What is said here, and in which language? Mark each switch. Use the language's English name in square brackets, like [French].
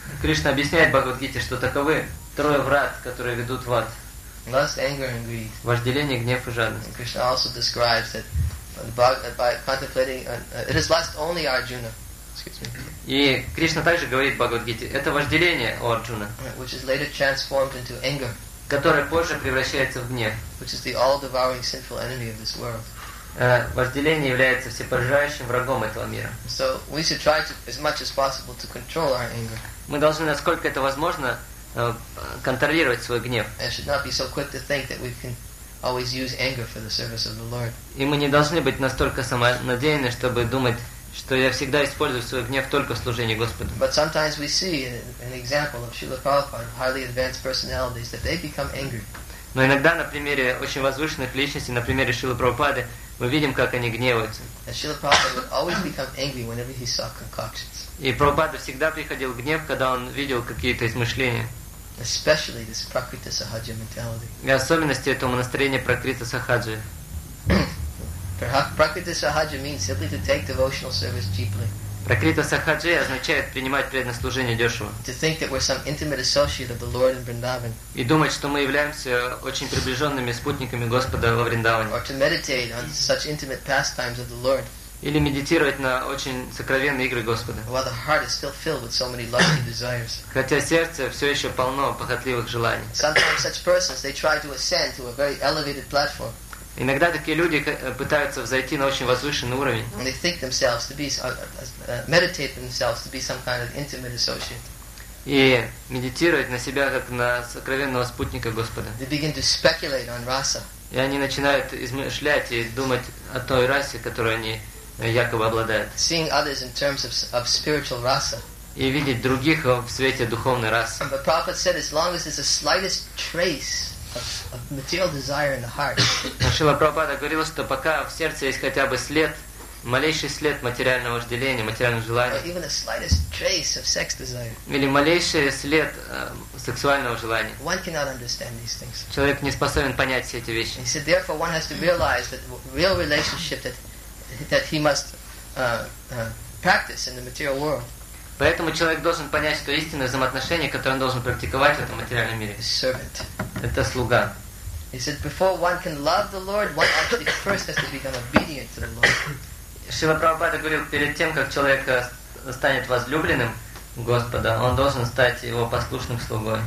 [Russian] Кришна объясняет в Бхагавад-гите, что таковы трое врат, которые ведут в ад. [English] Lust, anger, and greed. [Russian] Вожделение, гнев и жадность. [English] Krishna also describes that by contemplating it is lust only Arjuna. [Russian] И Кришна также говорит в Бхагавад-гите, это вожделение у Арджуны, [English] which is later transformed into anger, [Russian] которое позже превращается в гнев, [English] which is the all-devouring sinful enemy of this world. [Russian] Вожделение является всепожирающим врагом этого мира. [English] So we should try to, as much as possible, to control our anger. [Russian] Мы должны, насколько это возможно, контролировать свой гнев. [English] And should not be so quick to think that we can always use anger for the service of the Lord. [Russian] И мы не должны быть настолько самонадеянны, чтобы думать, что я всегда использую свой гнев только в служении Господу. [English] But sometimes we see an example of Srila Prabhupada, highly advanced personalities, that they become angry. [Russian] Но иногда на примере очень возвышенных личностей, на примере Шрилы Прабхупады, мы видим, как они гневаются. [English] And Srila Prabhupada would always become angry whenever he saw concoctions. [Russian] И Прабхупада всегда приходил гнев, когда он видел какие-то измышления. [English] Especially this Prakriti Sahaja mentality. [Russian] И особенности этого настроения Prakriti Sahaja. [English] Prakriti Sahaja means simply to take devotional service cheaply. [Russian] Prakriti Sahaja означает принимать преданное служение дешево. [English] To think that we're some intimate associate of the Lord in Vrindavan. [Russian] И думать, что мы являемся очень приближенными спутниками Господа во Вриндаване. [English] Or to meditate on such intimate pastimes of the Lord. [Russian] Или медитировать на очень сокровенные игры Господа. [English] While the heart is still filled with so many lusty desires. [Russian] Хотя сердце все еще полно похотливых желаний. [English] Sometimes such persons, they try to ascend to a very elevated platform. [Russian] Иногда такие люди пытаются взойти на очень возвышенный уровень. [English] And they think themselves to be, meditate themselves to be some kind of intimate associate. [Russian] И медитировать на себя как на сокровенного спутника Господа. [English] They begin to speculate on rasa. [Russian] И они начинают измышлять и думать о той расе, которую они якобы обладают. [English] Seeing others in terms of spiritual rasa. [Russian] И видеть других в свете духовной расы. [English] But Prabhupada said, as long as there's the slightest trace of material desire in the heart. [Russian] Шрила Прабхупада говорил, что пока в сердце есть хотя бы след, малейший след материального вожделения, материального желания. [English] Or even the slightest trace of sex desire. [Russian] Или малейший след сексуального желания. [English] One cannot understand these things. [Russian] Человек не способен понять все эти вещи. [English] He said, therefore, one has to realize that real relationship that he must practice in the material world. [Russian] Поэтому человек должен понять, что истинное взаимоотношение, которое он должен практиковать в этом материальном мире. [English] Servant. [Russian] Это слуга. [English] He said, before one can love the Lord, one actually first has to become obedient to the Lord. [Russian] Шрила Прабхупада говорил, перед тем, как человек станет возлюбленным Господа, он должен стать его послушным слугой.